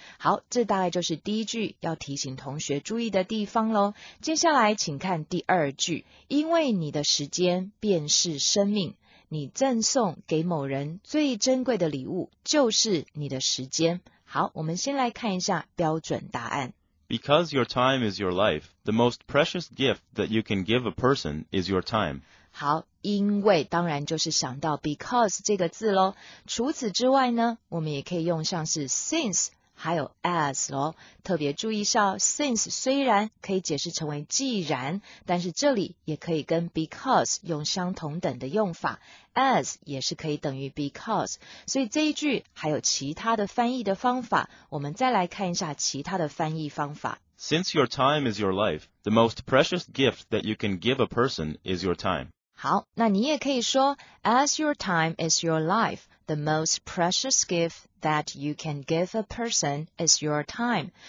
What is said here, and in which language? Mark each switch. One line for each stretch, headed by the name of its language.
Chinese: 好，这大概就是第一句要提醒同学注意的地方咯。接下来请看第二句，因为你的时间便是生命，你赠送给某人最珍贵的礼物就是你的时间。好，我们先来看一下标准答案。
English: Because your time is your life, the most precious gift that you can give a person is your time.
Chinese: 好，因为当然就是想到 because 这个字咯。除此之外呢，我们也可以用像是 since 还有 as 咯。特别注意一下， since 虽然可以解释成为既然，但是这里也可以跟 because 用相同等的用法， as 也是可以等于 because。所以这一句还有其他的翻译的方法，我们再来看一下其他的翻译方法。
English: Since your time is your life, the most precious gift that you can give a person is your time.
Chinese: 好，那你也可以说
English: as your time is your life, the most precious gift that you can give a person is your time.